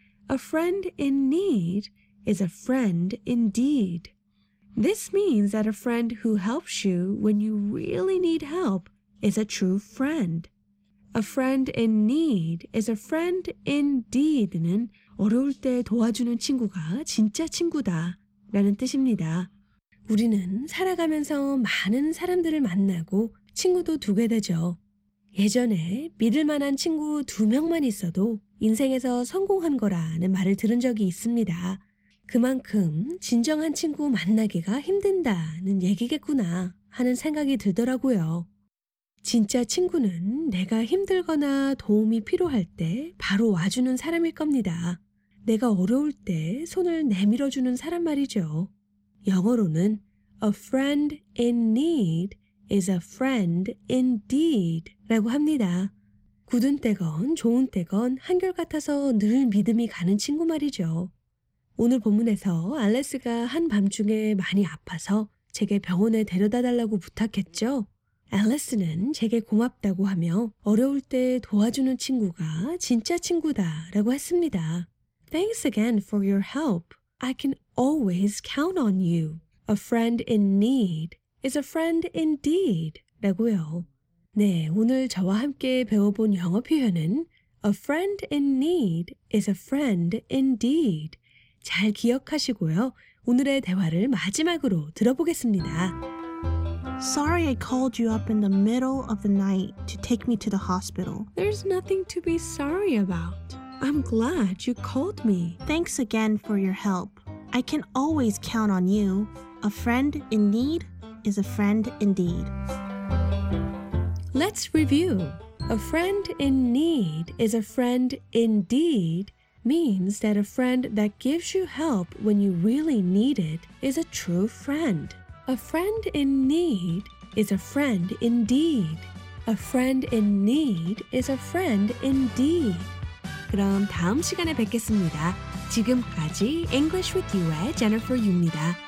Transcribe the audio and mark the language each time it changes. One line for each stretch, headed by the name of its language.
English: A friend in need is a friend indeed. This means that a friend who helps you when you really need help is a true friend. A friend in need is a friend indeed
Korean: 는 어려울 때 도와주는 친구가 진짜 친구다 라는 뜻입니다. 우리는 살아가면서 많은 사람들을 만나고 친구도 두게 되죠. 예전에 믿을 만한 친구 두 명만 있어도 인생에서 성공한 거라는 말을 들은 적이 있습니다. 그만큼 진정한 친구 만나기가 힘든다는 얘기겠구나 하는 생각이 들더라고요. 진짜 친구는 내가 힘들거나 도움이 필요할 때 바로 와주는 사람일 겁니다. 내가 어려울 때 손을 내밀어주는 사람 말이죠. 영어로는
English: A friend in need is a friend indeed
Korean: 라고 합니다. 굳은 때건 좋은 때건 한결같아서 늘 믿음이 가는 친구 말이죠. 오늘 본문에서 알레스가 한밤중에 많이 아파서 제게 병원에 데려다 달라고 부탁했죠. 알레스는 제게 고맙다고 하며 어려울 때 도와주는 친구가 진짜 친구다 라고 했습니다.
English: Thanks again for your help. I can always count on you. A friend in need is a friend indeed 라고요.
Korean: 네, 오늘 저와 함께 배워본 영어 표현은
English: A friend in need is a friend indeed.
Korean: 잘 기억하시고요. 오늘의 대화를 마지막으로 들어보겠습니다.
English: Sorry I called you up in the middle of the night to take me to the hospital. There's nothing to be sorry about. I'm glad you called me. Thanks again for your help. I can always count on you. A friend in need is a friend indeed. Let's review. A friend in need is a friend indeed. Means that a friend that gives you help when you really need it is a true friend. A friend in need is a friend indeed. A friend in need is a friend indeed.
Korean: 그럼 다음 시간에 뵙겠습니다. 지금까지
English: English with You
Korean: 의 Jennifer Yu입니다.